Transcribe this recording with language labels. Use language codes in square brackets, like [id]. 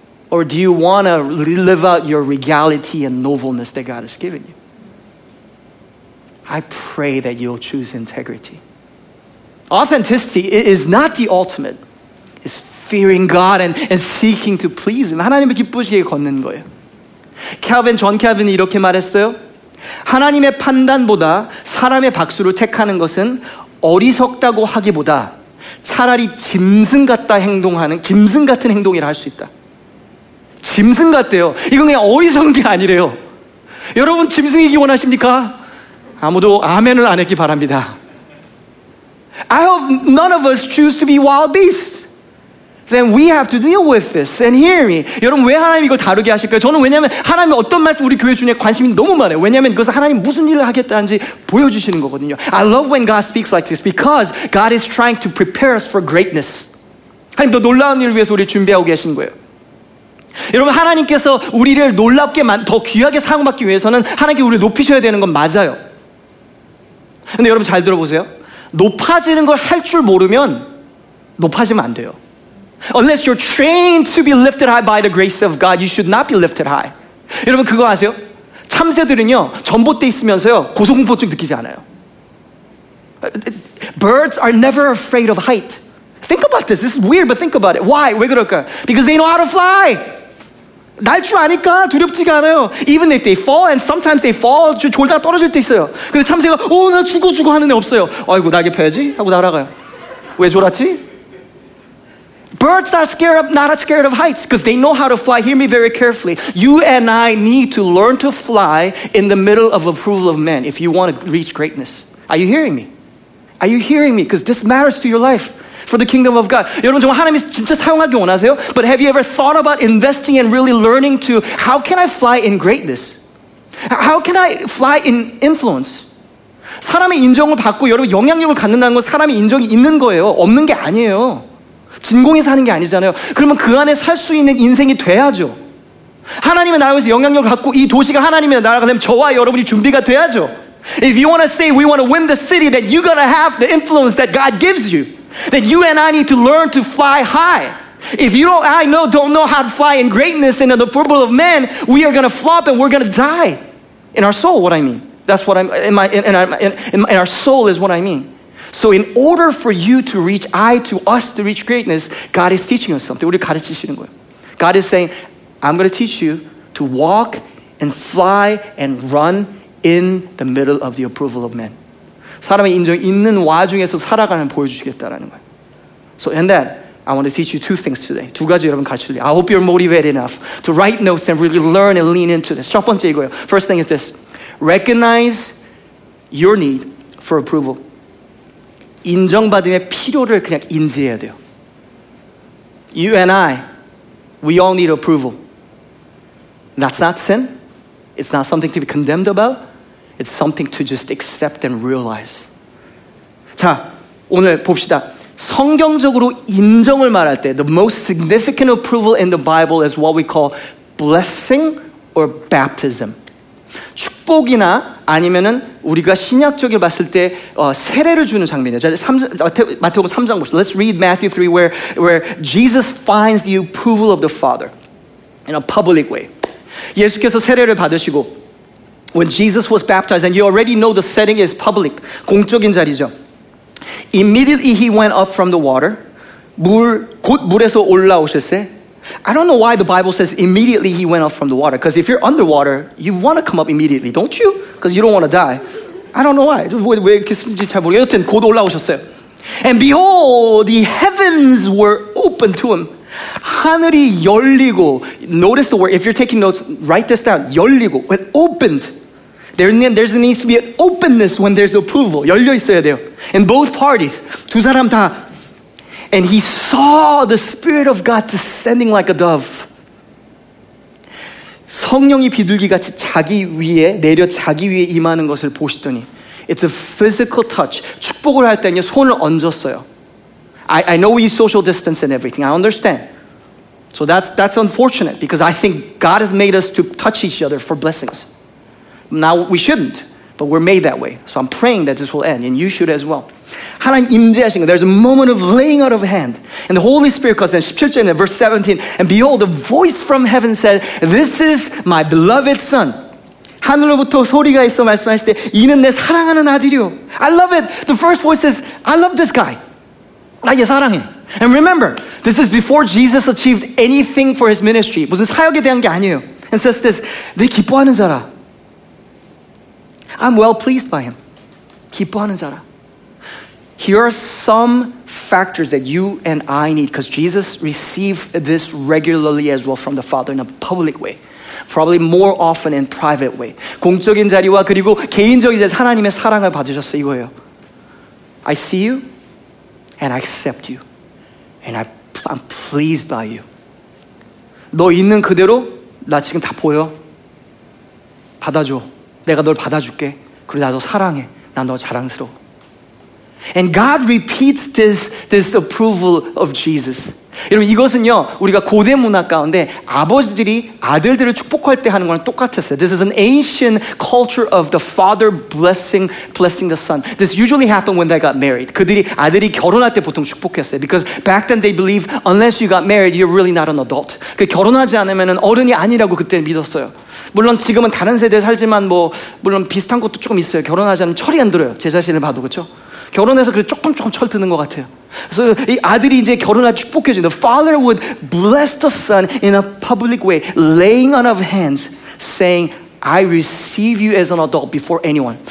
[en] Or do you want to live out your regality and nobleness that God has given you? I pray that you'll choose integrity. Authenticity is not the ultimate. It's fearing God and seeking to please Him. [ko] 하나님을 기쁘시게 걷는 거예요. Calvin, John Calvin이 이렇게 말했어요. 하나님의 판단보다 사람의 박수를 택하는 것은 어리석다고 하기보다 차라리 짐승 같다 행동하는, 짐승 같은 행동이라 할 수 있다. 짐승 같대요. 이건 그냥 어리석은 게 아니래요. 여러분, 짐승이기 원하십니까? 아무도 아멘을 안 했기 바랍니다. [en] I hope none of us choose to be wild beasts. Then we have to deal with this and hear me. [ko] 여러분, 왜 하나님 이걸 다루게 하실까요? 저는 왜냐하면 하나님 어떤 말씀 우리 교회 중에 관심이 너무 많아요. 왜냐하면 그것은 하나님 무슨 일을 하겠다는지 보여주시는 거거든요. [en] I love when God speaks like this because God is trying to prepare us for greatness. [ko] 하나님 더 놀라운 일을 위해서 우리 준비하고 계신 거예요. 여러분, 하나님께서 우리를 놀랍게 더 귀하게 사용받기 위해서는 하나님께 우리를 높이셔야 되는 건 맞아요. 근데 여러분 잘 들어보세요. 높아지는 걸 할 줄 모르면 높아지면 안 돼요. [en] Unless you're trained to be lifted high by the grace of God, you should not be lifted high. [ko] 여러분 그거 아세요? 참새들은요, 전봇대 있으면서요, 고소공포증 느끼지 않아요. [en] Birds are never afraid of height. Think about this. This is weird, but think about it. Why? [ko] 왜 그럴까요? [en] Because they know how to fly. [ko] 날 줄 아니까 두렵지가 않아요. [en] Even if they fall, and sometimes they fall, [ko] 졸다가 떨어질 때 있어요. 근데 참새가, 오, 나 죽어 죽어 하는 애 없어요. 아이고, 날개 펴야지? 하고 날아가요. 왜 졸았지? [en] Birds are scared of, not scared of heights because they know how to fly. Hear me very carefully. You and I need to learn to fly in the middle of approval of men if you want to reach greatness. Are you hearing me? Are you hearing me? Because this matters to your life for the kingdom of God. [ko] 여러분, 정말 하나님이 진짜 사용하기 원하세요? [en] But have you ever thought about investing and really learning to, how can I fly in greatness? How can I fly in influence? [ko] 사람의 인정을 받고 여러분 영향력을 갖는다는 건 사람의 인정이 있는 거예요. 없는 게 아니에요. 진공에서 하는 게 아니잖아요. 그러면 그 안에 살 수 있는 인생이 돼야죠. 하나님의 나라에서 영향력을 갖고 이 도시가 하나님의 나라가 되면 저와 여러분이 준비가 돼야죠. [en] If you want to say we want to win the city, then you gotta have the influence that God gives you. Then you and I need to learn to fly high. If you don't, I know, don't know how to fly in greatness and in the approval of men, we are gonna flop and we're gonna die in our soul. What I mean, that's what I'm in my in our soul is what I mean. So in order for you to reach, I to us to reach greatness, God is teaching us something. [ko] 우리 가르치시는 거예요. [en] God is saying, I'm going to teach you to walk and fly and run in the middle of the approval of men. [ko] 사람의 인정 있는 와중에서 살아가는 보여주시겠다라는 거예요. [en] So in that, I want to teach you two things today. [ko] 두 가지 여러분 가르치려고. [en] I hope you're motivated enough to write notes and really learn and lean into this. [ko] 첫 번째 이거예요. [en] First thing is this. Recognize your need for approval. [ko] 인정받음의 필요를 그냥 인지해야 돼요. [en] You and I, we all need approval. That's not sin. It's not something to be condemned about. It's something to just accept and realize. [ko] 자, 오늘 봅시다. 성경적으로 인정을 말할 때 [en] the most significant approval in the Bible is what we call blessing or baptism. [ko] 축복이나 아니면은 우리가 신약적으로 봤을 때 세례를 주는 장면이에요. 자, 마태복음 3장 보시죠. [en] Let's read Matthew 3 where Jesus finds the approval of the Father in a public way. [ko] 예수께서 세례를 받으시고 [en] when Jesus was baptized and you already know the setting is public. [ko] 공적인 자리죠. [en] Immediately he went up from the water. [ko] 물 곧 물에서 올라오셨어요. I don't know why the Bible says immediately he went up from the water. Because if you're underwater, you want to come up immediately, don't you? Because you don't want to die. I don't know why. 왜 이렇게 쓰는지 잘 모르겠어요. 여튼 곧 올라오셨어요. [en] And behold, the heavens were open to him. [ko] 하늘이 열리고, [en] notice the word, if you're taking notes, write this down. [ko] 열리고, [en] when opened. There needs to be an openness when there's approval. [ko] 열려 있어야 돼요. [en] In both parties, [ko] 두 사람 다. [en] And he saw the Spirit of God descending like a dove. [ko] 성령이 비둘기같이 자기 위에 내려 자기 위에 임하는 것을 보시더니 [en] It's a physical touch. [ko] 축복을 할 때는요, 손을 얹었어요. [en] I know we use social distance and everything. I understand. So that's unfortunate because I think God has made us to touch each other for blessings. Now we shouldn't, but we're made that way. So I'm praying that this will end, and you should as well. [ko] 하나님 임재하신 거. [en] There's a moment of laying out of hand. And the Holy Spirit calls in verse 17, and behold, a voice from heaven said, This is my beloved son. [ko] 하늘로부터 소리가 있어 말씀하실 때, 이는 내 사랑하는 아들이요. [en] I love it. The first voice is, I love this guy. [ko] 나 얘 사랑해. [en] And remember, this is before Jesus achieved anything for his ministry. [ko] 무슨 사역에 대한 게 아니에요. [en] And says this, [ko] 내 기뻐하는 자라. [en] I'm well pleased by him. [ko] 기뻐하는 자라. [en] Here are some factors that you and I need because Jesus received this regularly as well from the Father in a public way. Probably more often in private way. [ko] 공적인 자리와 그리고 개인적인 자리에서 하나님의 사랑을 받으셨어요. 이거예요. [en] I see you and I accept you. And I'm pleased by you. [ko] 너 있는 그대로 나 지금 다 보여. 받아줘. 내가 널 받아줄게. 그리고 나도 사랑해. 난 너 자랑스러워. [en] And God repeats this approval of Jesus. [ko] 여러분 이것은요 우리가 고대 문화 가운데 아버지들이 아들들을 축복할 때 하는 거랑 똑같았어요. [en] This is an ancient culture of the father blessing the son. This usually happened when they got married. [ko] 그들이 아들이 결혼할 때 보통 축복했어요. [en] Because back then they believed unless you got married, you're really not an adult. [ko] 그 결혼하지 않으면은 어른이 아니라고 그때 믿었어요. 물론 지금은 다른 세대에 살지만 뭐 물론 비슷한 것도 조금 있어요. 결혼하지 않으면 철이 안 들어요. 제 자신을 봐도 그렇죠. 결혼해서 그래 조금 철 드는 것 같아요. 그래서 이 아들이 이제 결혼할 축복해 주는. [en] The father would bless the son in a public way, laying on of hands, saying, "I receive you as an adult before anyone."